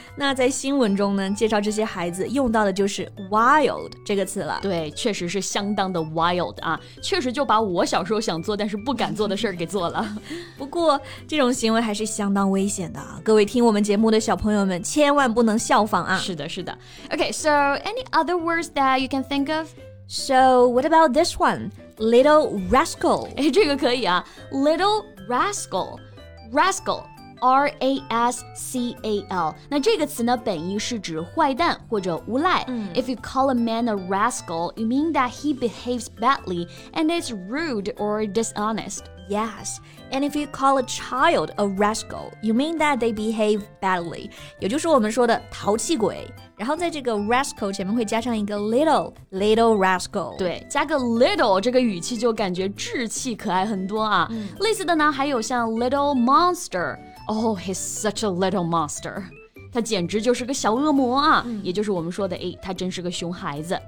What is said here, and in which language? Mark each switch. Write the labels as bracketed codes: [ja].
[zh] 那在新闻中呢，介绍这些孩子用到的就是 wild 这个词了。对，确实是相当的 wild 啊，确实就把我小时候想做但是不敢做的事儿给做了。不过这种行为还是相当危险的啊，各位听我们节目的小朋友们千万不能效仿啊。是的是的。 [en] Okay, so any other words that you can think of? So what about this one? Little rascal. [zh] 哎，这个可以啊。 [en] Little rascal. Rascal. R-A-S-C-A-L. [zh] 那这个词呢，本意是指坏蛋或者无赖。 [en] If you call a man a rascal, you mean that he behaves badly and is rude or dishonest. Yes. And if you call a child a rascal, you mean that they behave badly. [zh] 也就是我们说的淘气鬼。然后在这个 rascal 前面会加上一个 [en] little rascal， [zh] 对，加个 little， 这个语气就感觉稚气可爱很多啊。类似的呢，还有像 [en] little monster， oh he's such a little monster， [zh] 他简直就是个小恶魔啊，也就是我们说的，哎，他真是个熊孩子。